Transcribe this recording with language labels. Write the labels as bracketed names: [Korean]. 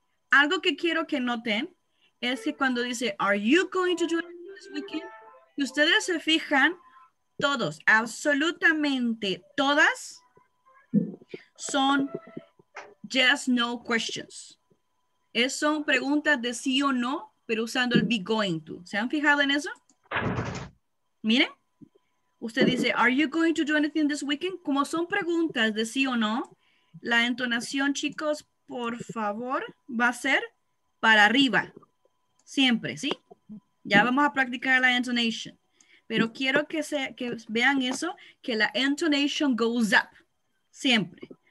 [Spanish] Algo que quiero que noten es que cuando dice, [English] are you going to do anything this weekend? [Spanish] Y ustedes se fijan, todos, absolutamente todas, son [English] yes, no questions. [Spanish] Es son preguntas de sí o no, pero usando el be going to. ¿Se han fijado en eso? Miren, usted dice, [English] are you going to do anything this weekend? [Spanish] Como son preguntas de sí o no, la entonación, chicos, por favor, va a ser para arriba. Siempre, ¿sí? Ya vamos a practicar la intonation. Pero quiero que vean eso, que la [English] intonation goes up. [Spanish] Siempre.